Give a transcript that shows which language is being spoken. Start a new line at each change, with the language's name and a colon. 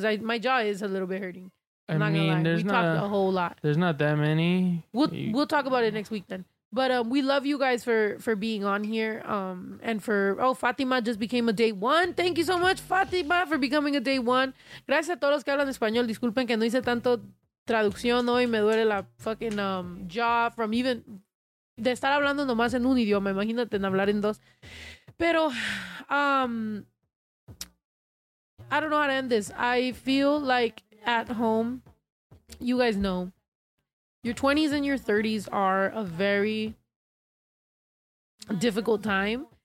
English: Because my jaw is a little bit hurting. I'm not gonna lie. We talked a whole lot. There's not that many. We'll talk about it next week then. But we love you guys for being on here. Fatima just became a day one. Thank you so much, Fatima, for becoming a day one.
Spanish: Gracias a todos los que hablan español. Disculpen que no hice tanto traducción hoy. Me duele la
English: fucking jaw from even
Spanish: de estar hablando nomás en un idioma. Imagínate en hablar en dos. Pero
English: I don't know how to end this. I feel like at home, you guys know, your 20s and your 30s are a very difficult time.